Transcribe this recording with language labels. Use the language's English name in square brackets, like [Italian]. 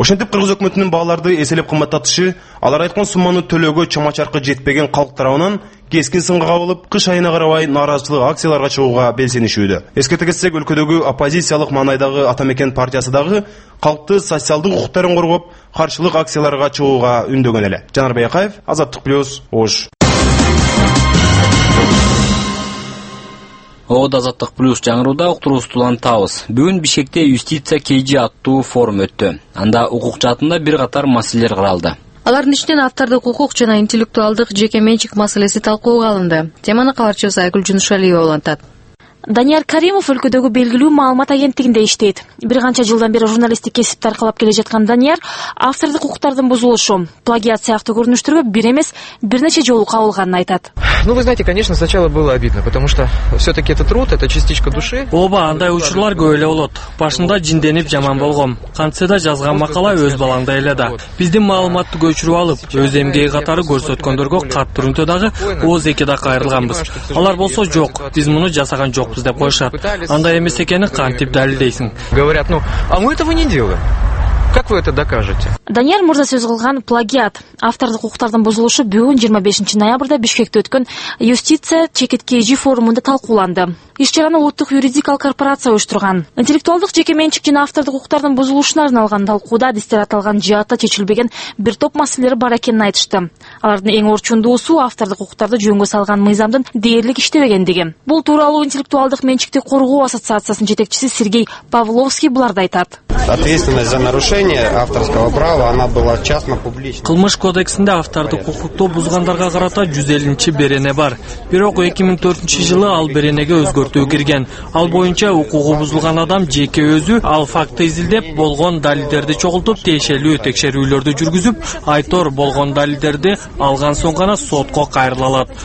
[Kyrgyz] Ошентип кыргыз өкмөтүнүн бааларды эселеп кымбаттатышы алар айткан сумманы төлөөгө чама чаркы жетпеген калк тарабынан кескин сынга кабылып, кыш айына карабай нааразычылык акцияларга чыгууга белсенишүүдө. Эскерте кетсек, өлкөдөгү оппозициялык маанайдагы Атамекен партиясы дагы калкты социалдык укуктарын коргоп каршылык акцияларга чыгууга үндөгөн эле. Жанар Баякаев, Азаттык Плюс, Ош. Ооба Азаттык Плюс жаңырууда уктуруубузду улантабыз. Бүгүн Бишкекте юстиция КЖ аттуу форум өттү. Анда укук жаатында бир катар маселелер каралды. Алардын ичинен автордук укук жана интеллектуалдык жеке менчик маселеси талкууга алынды. Теманы кабарчыбыз Айгүл Жунушалиева улантат. Данияр Каримов өлкөдөгү белгилүү маалымат агенттигинде иштейт. Бир канча жылдан бери журналисттик кесипти аркалап келе жаткан Данияр автордук укуктардын бузулушу, плагиат сыяктуу көрүнүштөргө бир эмес, бир нече жолу кабылганын айтат. [Russian] Ну вы знаете, конечно, сначала было обидно, потому что все-таки это труд, это частичка души. [Kyrgyz] Ооба, андай учурлар көп эле болот. Башында жинденип жаман болгом. Кантсе да жазган макала өз балаңда эле да. Биздин маалыматты көчүрүп алып, өз эмгеги катары көрсөткөндөргө катуу үнтө дагы ооз экиде кайрылганбыз. Алар болсо жок, биз муну жасаган жок. Бизде коюшат. Андай эмес экени кантип далилдейсиң? [Russian] Говорят, ну, а мы этого не делаем. Как вы это докажете? [Kyrgyz] Данияр Мурза сөз кылган плагиат. Автордук укуктардын бузулушу бүгүн 25 ноябрда Бишкекте өткөн юстиция чекитке эжи форумунда талкууланды. Иш-чараны улуттук юридикалык корпорация уюштурган. Интеллектуалдык жеке менчик жана автордук укуктардын бузулушуна арналган талкууда адистер аталган жаатта чечилбеген бир топ маселелер бар экенин айтышты. Алардын эң орчундуусу автордук укуктарды жөнгө салган мыйзамдын дээрлик иштебегендиги. Бул тууралуу интеллектуалдык менчикти коргоо ассоциациясынын жетекчиси Сергей Павловский буларды айтат. [Russian] Ответственность за нарушение авторского права, она была частно публична. [Kyrgyz] Кылмыш кодексинде авторду укукту бузгандарга карата 150-чи берене бар. Бирок 2004-чү жылы ал беренеге өзгөртүү кирген. Ал боюнча укугу бузулган адам жеке өзү ал факты изилдеп, болгон далилдерди чогултуп, тиешелүү текшерүүлөрдү жүргүзүп, айтор болгон далилдерди алган соң гана сотко кайрыла алат.